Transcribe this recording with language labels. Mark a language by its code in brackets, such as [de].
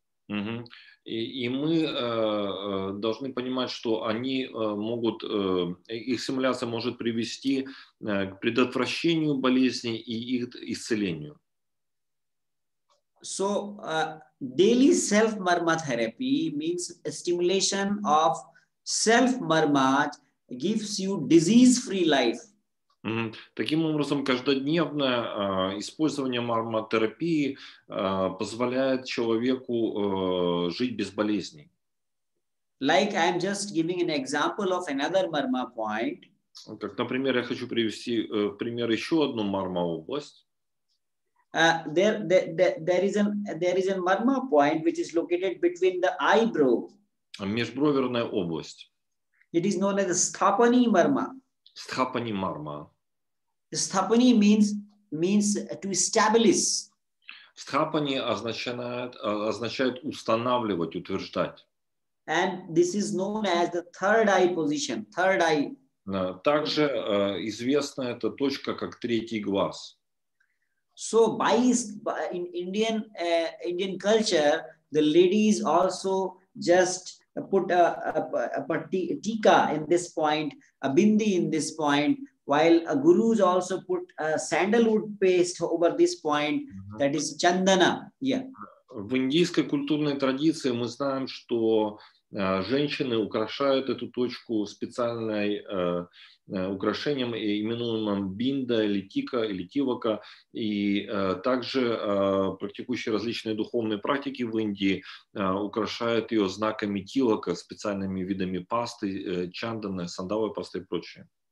[ru] Mm-hmm. И мы должны понимать, что они могут, их стимуляция может привести к предотвращению болезни и их исцелению. [en] So, daily self-marma therapy means a stimulation of self-marma gives you disease-free life. [ru] Таким образом, каждодневное использование марматерапии позволяет человеку жить без болезней. [en] Like I'm just giving an example of another marma point. [ru] Как, например, я хочу привести в пример еще одну марма область. [en] There is a marma point which is located between the eyebrow. [ru] Межброверная область. [en] It is known as sthapani marma. Sthapani marma. Sthapani means to establish. [ru] Sthapani означает устанавливать, утверждать. [en] And this is known as the third eye position, third eye. [ru] Также известна эта точка как третий глаз. [en] So in Indian culture, the ladies also just put a tika in this point, a bindi in this point. While a gurus also put a sandalwood paste over this point, that is chandana. Yeah. [ru] В индийской культурной традиции мы знаем, что женщины украшают эту точку специальной украшением, именуемым бинда или тика или тивака, и также практикующие различные духовные практики в Индии украшают ее знаками тивака, специальными видами пасты, чанданы, сандаловой пасты и прочее.